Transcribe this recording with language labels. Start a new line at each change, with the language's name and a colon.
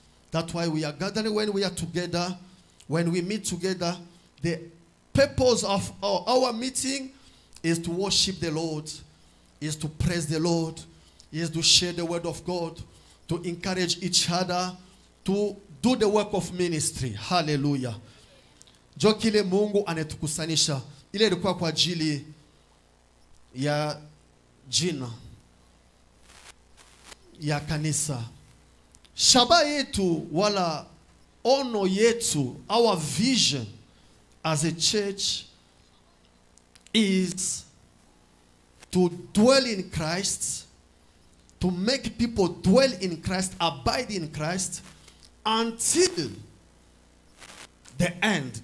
English: That's why we are gathering when we are together, when we meet together. The purpose of our meeting is to worship the Lord, is to praise the Lord, is to share the word of God, to encourage each other, to do the work of ministry.
Swahili: Hallelujah. Jo kile Mungu anetukusanisha. Ile ilikuwa kwa ajili ya jina ya kanisa. Shaba yetu wala ono yetu,
English: our vision as a church is to dwell in Christ, to make people dwell in Christ, abide in Christ until the end.